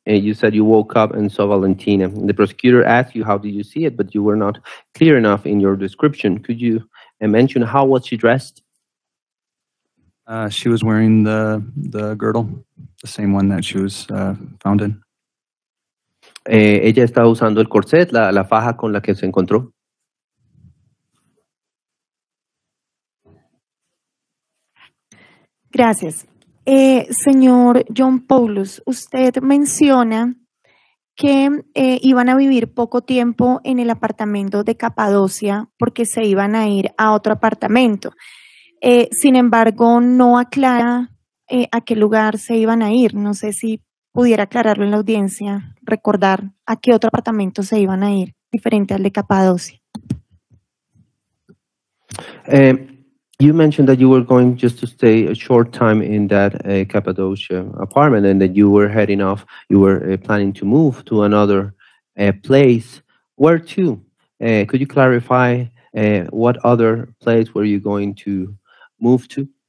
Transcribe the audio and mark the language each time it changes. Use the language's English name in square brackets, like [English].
[English] You said you woke up and saw Valentina. The prosecutor asked you, how did you see it? But you were not clear enough in your description. Could you mention how was she dressed? She was wearing the girdle, the same one that she was found in. [Spanish] Ella estaba usando el corset, la faja con la que se encontró. Gracias. Señor John Paulus, usted menciona que iban a vivir poco tiempo en el apartamento de Capadocia porque se iban a ir a otro apartamento. Sin embargo, no aclara a qué lugar se iban a ir. No sé si pudiera aclararlo en la audiencia, recordar a qué otro apartamento se iban a ir, diferente al de Capadocia. [English] You mentioned that you were going just to stay a short time in that Cappadocia apartment and that you were heading off, you were planning to move to another place. Where to? Could you clarify what other place were you going to move to?